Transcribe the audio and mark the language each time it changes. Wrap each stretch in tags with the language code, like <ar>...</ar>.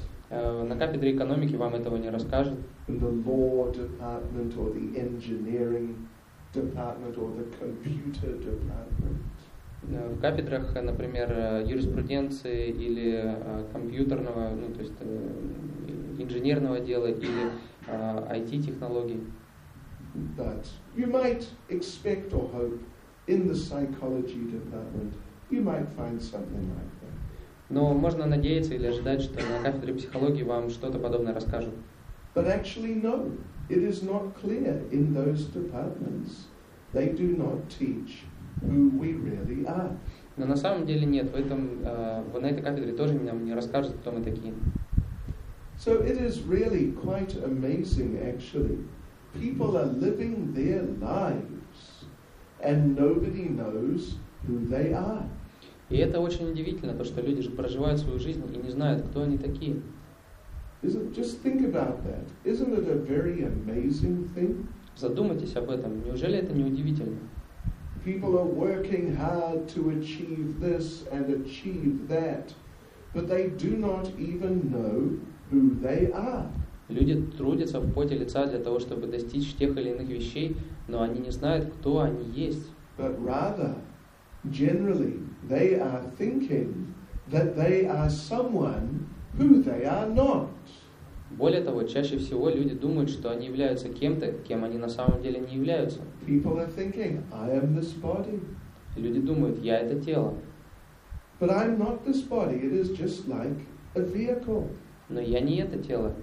<ru>На кафедре экономики вам этого не расскажут.</ru> <en>In the law department or the engineering department or the computer department.</en> <ru>В кафедрах, например, юриспруденции или компьютерного, ну, то есть инженерного дела или IT-технологий.</ru> <en>But you might expect or hope in the psychology department you might find something like that.</en> <ru>Но можно надеяться или ожидать, что на кафедре психологии вам что-то подобное расскажут.</ru> <en>But actually no, it is not clear in those departments. They do not teach who we really are.</en> <ru>Но на самом деле нет, в этом на этой кафедре тоже нам не расскажут, кто мы такие.</ru> <en>So it is really quite amazing, actually. People are living their lives, and nobody knows who they are.</en> <ru>И это очень удивительно, то, что люди же проживают свою жизнь и не знают, кто они такие.</ru> <en>Just think about that. Isn't it a very amazing thing?</en> <ru>Задумайтесь об этом. Неужели это не удивительно?</ru> <en>People are working hard to achieve this and achieve that, but they do not even know who they are.</en> <ru>Люди трудятся в поте лица для того, чтобы достичь тех или иных вещей, но они не знают, кто они есть.</ru> <en>But rather, generally, they are thinking that they are someone who they are not.</en> <ru>Более того, чаще всего люди думают, что они являются кем-то, кем они на самом деле не являются.</ru> <en>People are thinking, I am this body.</en> <ru>Люди думают, я это тело.</ru> <en>But I'm not this body. It is just like a vehicle.</en> <ru>Но я не это тело.</ru>